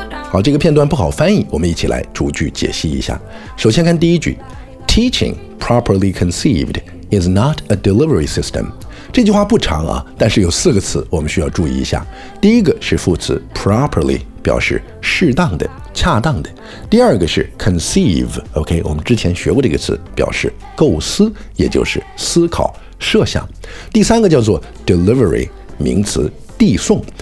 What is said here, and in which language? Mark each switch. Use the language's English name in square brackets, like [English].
[Chinese] 好，这个片段不好翻译，我们一起来逐句解析一下。首先看第一句， [English] Teaching properly conceived is not a delivery system. [Chinese] 这句话不长啊，但是有四个词我们需要注意一下。第一个是副词 properly， 表示适当的、恰当的。第二个是 conceive， OK， 我们之前学过这个词，表示构思，也就是思考、设想。第三个叫做 delivery， 名词，递送。